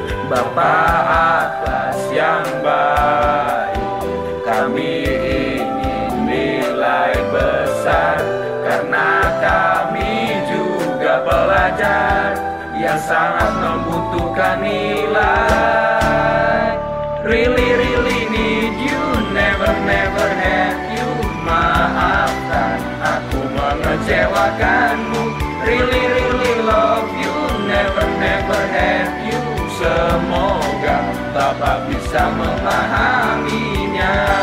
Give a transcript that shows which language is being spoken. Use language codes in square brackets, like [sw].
[id] Bapak atas yang baik, kami ingin nilai besar, karena kami juga pelajar yang sangat membutuhkan nilai. [en] Really, really need you, never, never hate you. [id] Maafkan aku mengecewakanmu. [en] Really, really love you, never, never hate you. [id] Semoga Bapak bisa memahaminya.